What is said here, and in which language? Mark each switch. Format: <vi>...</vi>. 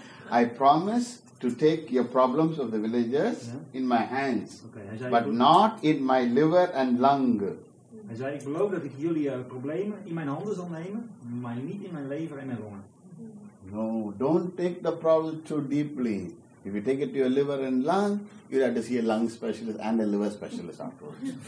<en>I promise to take your problems of the villagers in my hands, but not in my liver and lung.</en> <nl>Hij zei, ik beloof dat ik jullie problemen in mijn handen zal nemen, maar niet in mijn lever en mijn longen.</nl> <en>No, don't take the problem too deeply. If you take it to your liver and lung, you'll have to see a lung specialist and a liver specialist afterwards.</en>